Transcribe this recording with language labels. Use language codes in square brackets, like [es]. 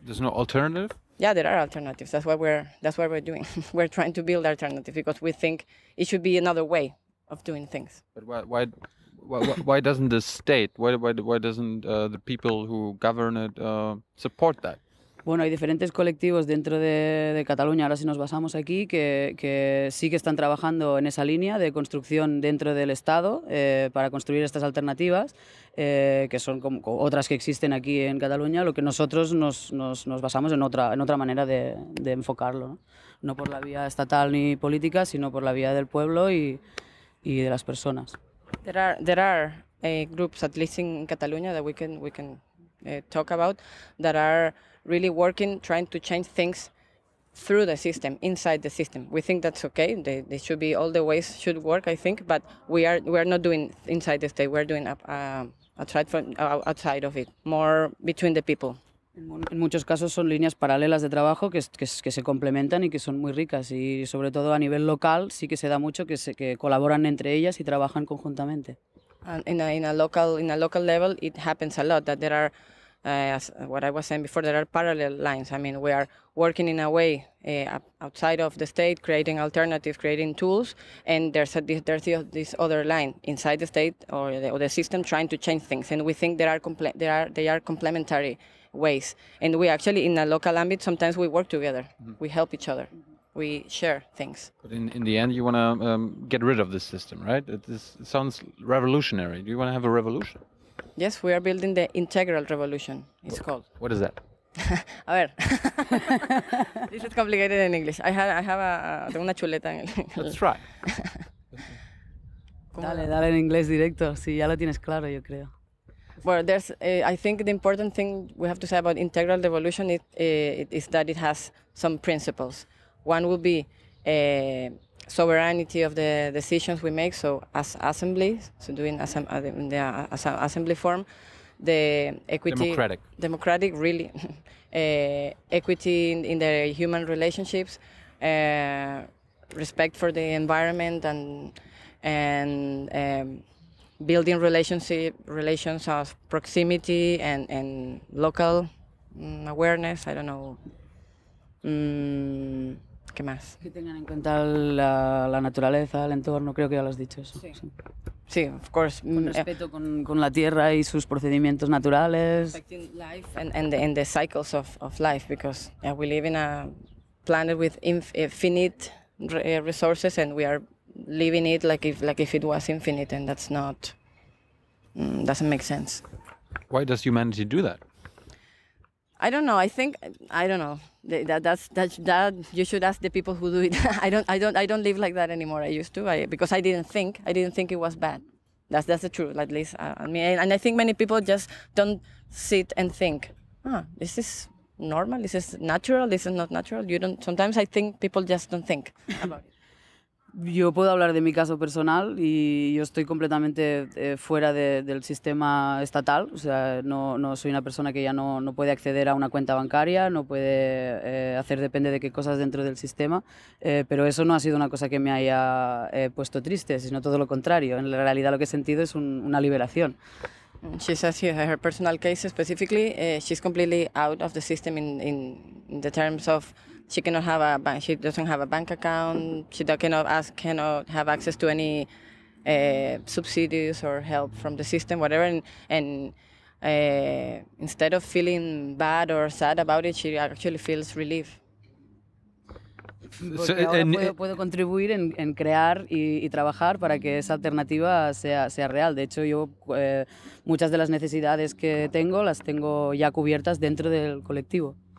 [en] There's no alternative? Yeah, there are alternatives. That's what we're doing. We're trying to build alternatives because we think it should be another way of doing things. But why doesn't the state? Why doesn't the people who govern it support that? [es] Bueno, hay diferentes colectivos dentro de Cataluña, ahora si nos basamos aquí, que sí que están trabajando en esa línea de construcción dentro del Estado para construir estas alternativas, que son como otras que existen aquí en Cataluña, lo que nosotros nos basamos en otra manera de enfocarlo, ¿no? No por la vía estatal ni política, sino por la vía del pueblo y de las personas. [en] There are groups, at least in Cataluña, that we can talk about, that are really working, trying to change things through the system, inside the system. We think that's okay. They should be, all the ways should work, I think. But we are not doing inside the state. We're doing outside of it, more between the people. [es] En muchos casos son líneas paralelas de trabajo que se complementan y que son muy ricas. Y sobre todo a nivel local sí que se da mucho que colaboran entre ellas y trabajan conjuntamente. [en] And in a local level, it happens a lot that there are. As what I was saying before, there are parallel lines. I mean, we are working in a way outside of the state, creating alternatives, creating tools, and there's this other line inside the state or the system trying to change things. And we think they are complementary ways. And we actually, in a local ambit, sometimes we work together. Mm-hmm. We help each other. Mm-hmm. We share things. But in the end, you want to get rid of this system, right? It sounds revolutionary. Do you want to have a revolution? Yes, we are building the integral revolution, it's called. What is that? [es] A ver. [en] This is complicated in English. I have [es] una chuleta en el. [en] Let's try. [es] Dale en inglés directo, si ya lo tienes claro, yo creo. [en] Well, I think the important thing we have to say about integral revolution is that it has some principles. One would be sovereignty of the decisions we make, so as assemblies, so doing as an assembly form, the equity, democratic really, equity in the human relationships, respect for the environment and building relations of proximity and local awareness. I don't know. [es] ¿Qué más? Que tengan en cuenta la naturaleza, el entorno, creo que ya lo has dicho. Eso. Sí, [en] of course. [es] Con respeto con la tierra y sus procedimientos naturales. [en] Affecting life and the cycles of life, because we live in a planet with infinite resources and we are living it like if it was infinite, and that's not, doesn't make sense. Why does humanity do that? I don't know. I don't know. That you should ask the people who do it. I don't live like that anymore. I used to. Because I didn't think it was bad. That's the truth. At least I mean, and I think many people just don't sit and think. This is normal. This is natural. This is not natural. You don't. Sometimes I think people just don't think about it. [es] Yo puedo hablar de mi caso personal y yo estoy completamente fuera del sistema estatal, o sea, no soy una persona que ya no puede acceder a una cuenta bancaria, no puede hacer depende de qué cosas dentro del sistema, pero eso no ha sido una cosa que me haya puesto triste, sino todo lo contrario. En realidad lo que he sentido es una liberación. [en] She says here, her personal case specifically, she's completely out of the system in the terms of she cannot have a bank, she doesn't have a bank account, she cannot have access to any subsidies or help from the system, whatever. And instead of feeling bad or sad about it, she actually feels relief. [es] Puedo contribuir en crear y trabajar para que esa alternativa sea real. De hecho, yo muchas de las necesidades que tengo las tengo ya cubiertas dentro del colectivo.